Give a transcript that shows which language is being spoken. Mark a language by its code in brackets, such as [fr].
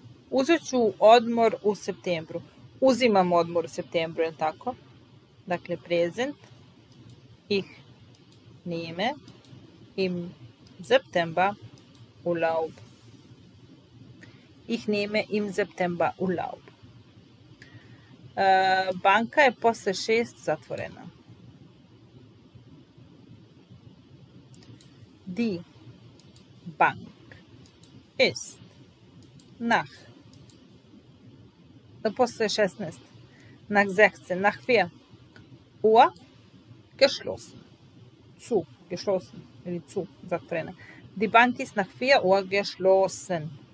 [sr] Uzet ću odmor u septembru. Uzimam odmor u septembru, je li tako? Dakle, present. [de] Ich nehme im September Urlaub. Ich nehme im September Urlaub. [sr] Banka je posle 6 zatvorena. [de] Die Bank ist nach, [sr] posle 16, [de] nach 16, nach 4 Uhr geschlossen. Zu, geschlossen, или zu, sagt Rene. Die Bank ist nach 4 Uhr geschlossen.